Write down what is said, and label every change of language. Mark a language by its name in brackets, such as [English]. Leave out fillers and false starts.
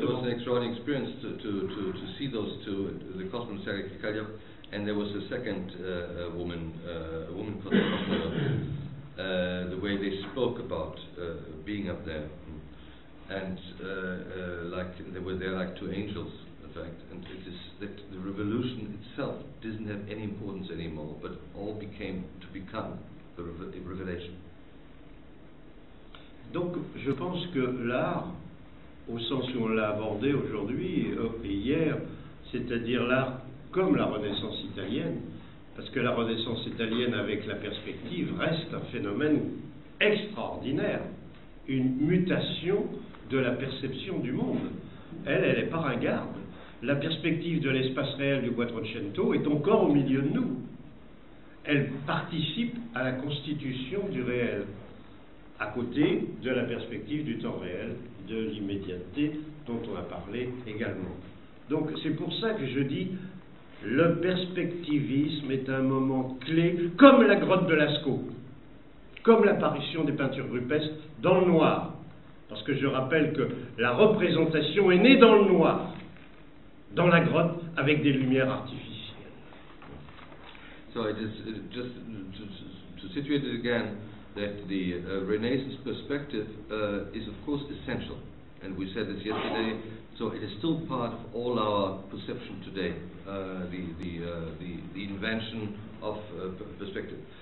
[English] It was an extraordinary experience to see those two, the cosmonaut Sergei Krikalev, and there was a second woman called the cosmonaut, the way they spoke about being up there, and like they were there like two angels, in fact, and it is that the revolution itself didn't have any importance anymore, but all became to become the revelation. [French] Donc, je pense que l'art, au sens où on l'a abordé aujourd'hui et hier, c'est-à-dire l'art comme la Renaissance italienne, parce que la Renaissance italienne avec la perspective reste un phénomène extraordinaire, une mutation de la perception du monde. Elle est par un garde. La perspective de l'espace réel du Quattrocento est encore au milieu de nous. Elle participe à la constitution du réel, à côté de la perspective du temps réel, de l'immédiateté dont on a parlé également. Donc c'est pour ça que je dis le perspectivisme est un moment clé, comme la grotte de Lascaux, comme l'apparition des peintures rupestres dans le noir. Parce que je rappelle que la représentation est née dans le noir, dans la grotte, avec des lumières artificielles. [English] So it is just to situate it again, that the Renaissance perspective is of course essential, and we said this yesterday, so it is still part of all our perception today, the invention of perspective.